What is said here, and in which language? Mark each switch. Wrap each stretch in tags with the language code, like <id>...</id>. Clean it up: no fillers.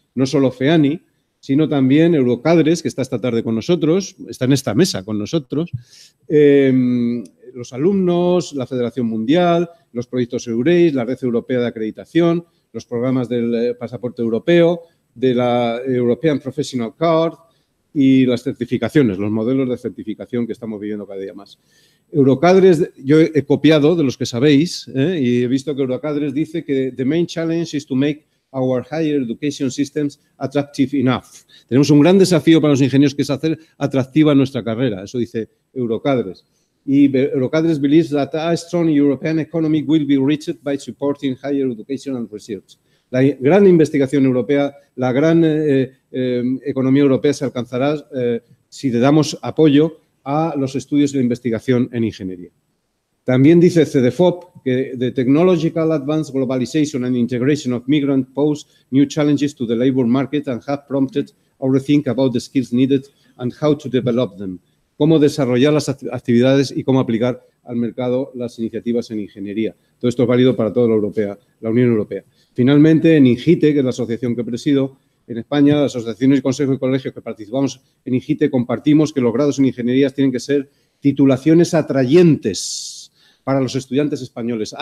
<es>No solo FEANI, sino también Eurocadres, que está esta tarde con nosotros, está en esta mesa con nosotros, los alumnos, la Federación Mundial, los proyectos EURACE, la Red Europea de Acreditación, los programas del pasaporte europeo, de la European Professional Card y las certificaciones, los modelos de certificación que estamos viviendo cada día más. Eurocadres, yo he copiado de los que sabéis, y he visto que Eurocadres dice que</es> <en>the main challenge is to make our higher education systems attractive enough.</en> <es>Tenemos un gran desafío para los ingenieros, que es hacer atractiva nuestra carrera, eso dice Eurocadres. Y</es> <en>Eurocadres believes that a strong European economy will be reached by supporting higher education and research.</en> <es>La gran investigación europea, la gran economía europea se alcanzará si le damos apoyo a los estudios y la investigación en ingeniería. También dice CEDEFOP que</es> <en>the technological advance, globalization and integration of migrants pose new challenges to the labor market and have prompted our think about the skills needed and how to develop them.</en> <es>Cómo desarrollar las actividades y cómo aplicar al mercado las iniciativas en ingeniería. Todo esto es válido para toda la Unión Europea. Finalmente, en IGITE, que es la asociación que presido, en España, las asociaciones y consejos y colegios que participamos en IGITE compartimos que los grados en ingenierías tienen que ser titulaciones atrayentes para los estudiantes españoles.</es>